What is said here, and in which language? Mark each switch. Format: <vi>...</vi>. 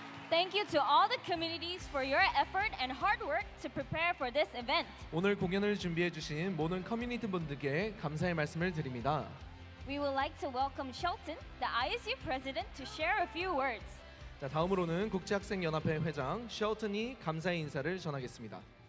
<en>Thank you to all the communities for your effort and hard work to prepare for this event.</en> <ko>오늘 공연을 준비해 주신 모든 커뮤니티 분들께 감사의 말씀을 드립니다.</ko> <en>We would like to welcome Shelton, the ISU president, to share a few words.</en> <ko>자, 다음으로는 국제학생연합회 회장 셸튼이 감사의 인사를 전하겠습니다.</ko>